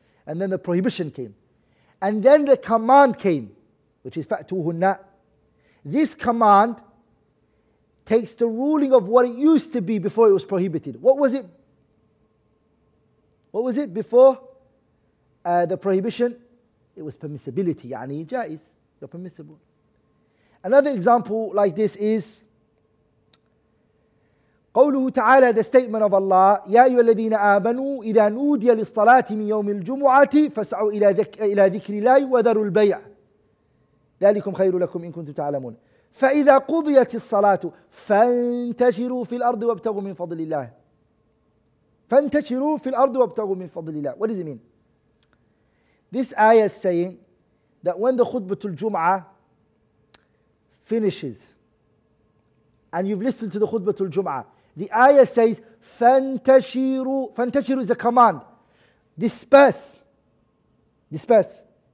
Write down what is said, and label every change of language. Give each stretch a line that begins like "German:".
English: And then the prohibition came. And then the command came, which is فَأْتُوهُنَّ. This command takes the ruling of what it used to be before it was prohibited. What was it? What was it before? The prohibition, it was permissibility.
Arabic: يعني جائز,
English: you're permissible. Another example like this is
Arabic: قوله تعالى,
English: the statement of Allah,
Arabic: يا أيها الذين آمنوا إذا نودي للصلاة من يوم الجمعة فسعوا إلى ذكر الله وذروا البيع ذلكم خير لكم إن كنتم تعلمون فإذا قضيت الصلاة فانتشروا في الأرض وابتغوا من فضل الله فانتشروا في الأرض وابتغوا من فضل الله.
English: What does it mean? This ayah is saying that when the khutbatul jum'ah finishes and you've listened to the khutbatul jum'ah, the ayah says, fantashiru. Fantashiru is a command. Disperse. Disperse.